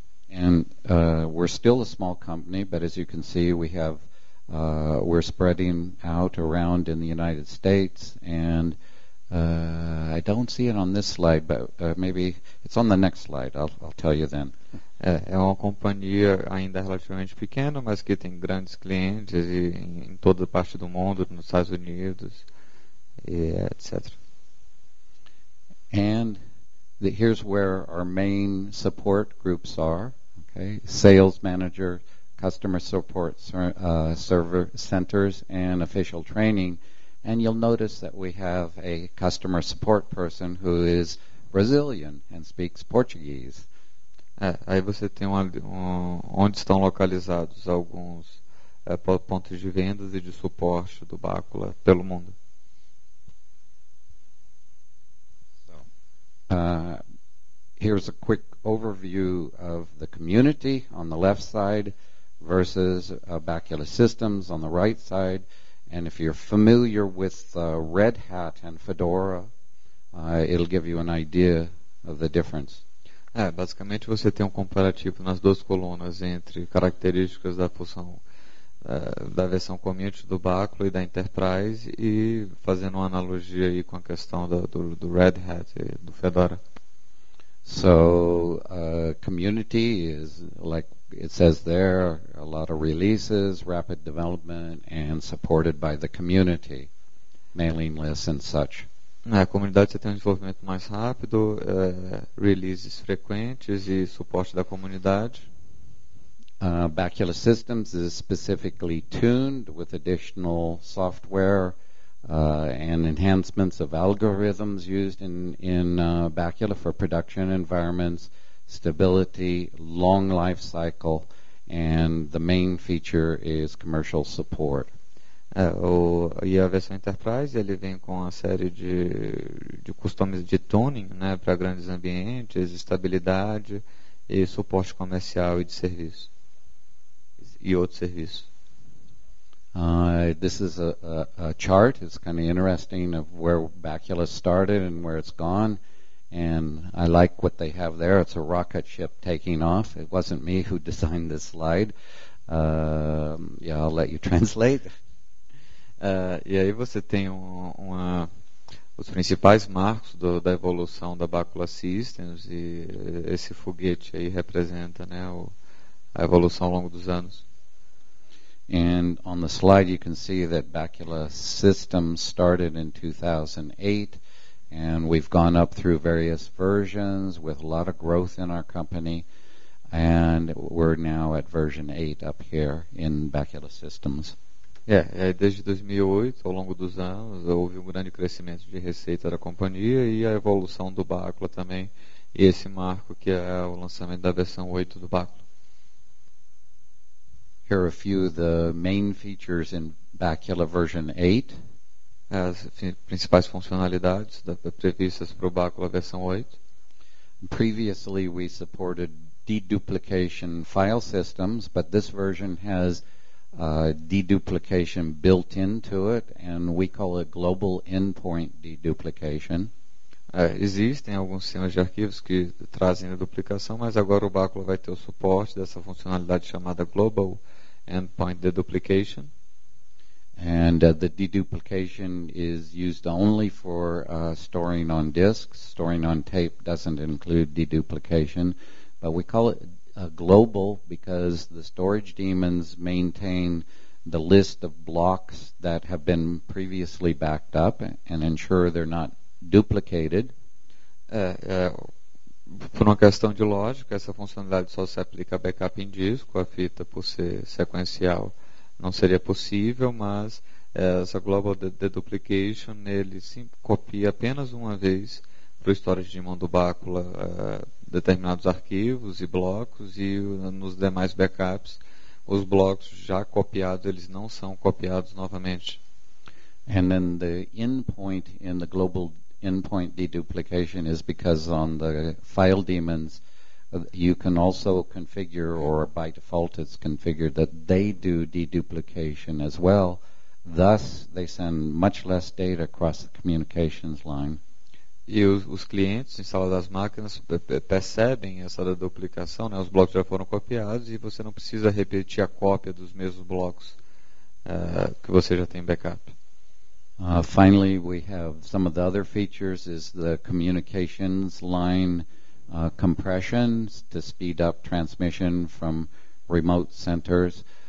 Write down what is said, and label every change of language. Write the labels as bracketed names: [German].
[English] And we're still a small company, but as you can see, we have we're spreading out around in the United States, and I don't see it on this slide, but maybe it's on the next slide. I'll tell you then. [Portuguese] É uma companhia ainda relativamente pequena, mas que tem grandes clientes e em toda parte do mundo, nos Estados Unidos, e etc. [English] And here's where our main support groups are. Okay, sales manager, customer support server centers, and official training. And you'll notice that we have a customer support person who is Brazilian and speaks Portuguese. [Portuguese] Aí você tem onde estão localizados alguns pontos de vendas e de suporte do Bacula pelo mundo. [English] So, here's a quick overview of the community on the left side versus Bacula Systems on the right side. And if you're familiar with Red Hat and Fedora, it'll give you an idea of the difference. [Portuguese] É, basicamente você tem um comparativo nas duas colunas entre características da função da versão community do Bacula e da Enterprise e fazendo uma analogia aí com a questão do Red Hat e do Fedora. [English] So, community is like it says there, a lot of releases, rapid development and supported by the community, mailing lists and such. [Portuguese] Na comunidade você tem um desenvolvimento mais rápido, releases frequentes e suporte da comunidade. [English] Bacula Systems is specifically tuned with additional software and enhancements of algorithms used in Bacula for production environments, stability, long life cycle, and the main feature is commercial support. [Portuguese] E a versão Enterprise, ele vem com uma série de customs de tuning, né, para grandes ambientes, estabilidade e suporte comercial e de serviço e outros serviços. [English] This is a chart. It's kind of interesting of where Bacula started and where it's gone, and I like what they have there. It's a rocket ship taking off. It wasn't me who designed this slide. Yeah, I'll let you translate. [Portuguese] E aí você tem os principais marcos da evolução da Bacula Systems, e esse foguete aí representa, né, a evolução ao longo dos anos. [English] And on the slide you can see that Bacula Systems started in 2008, and we've gone up through various versions with a lot of growth in our company, and we're now at version 8 up here in Bacula Systems. [Portuguese] Yeah, desde 2008, ao longo dos anos, houve um grande crescimento de receita da companhia e a evolução do Bacula também, e esse marco que é o lançamento da versão 8 do Bacula. [English] Here are a few of the main features in Bacula version 8. [Portuguese] As principais funcionalidades previstas para o Bacula versão 8. [English] Previously we supported deduplication file systems, but this version has deduplication built into it, and we call it global endpoint deduplication. [Portuguese] Existem alguns sistemas de arquivos que trazem a duplicação, mas agora o Bacula vai ter o suporte dessa funcionalidade chamada global endpoint deduplication. [English] And the deduplication is used only for storing on disk. Storing on tape doesn't include deduplication, but we call it global because the storage daemons maintain the list of blocks that have been previously backed up and ensure they're not duplicated. [Portuguese] Por uma questão de lógica, essa funcionalidade só se aplica a backup em disco. A fita, por ser sequencial, não seria possível, mas essa global deduplication, ele se copia apenas uma vez para o storage de mão do Bacula determinados arquivos e blocos, e nos demais backups, os blocos já copiados, eles não são copiados novamente. [English] And then the endpoint in the global endpoint deduplication is because on the file daemons, you can also configure, or by default it's configured, that they do deduplication as well. Thus, they send much less data across the communications line. [Portuguese] E os clientes em sala das máquinas percebem essa duplicação, né? Os blocos já foram copiados e você não precisa repetir a cópia dos mesmos blocos que você já tem backup. [English] Finally, we have some of the other features is the communications line compressions to speed up transmission from remote centers.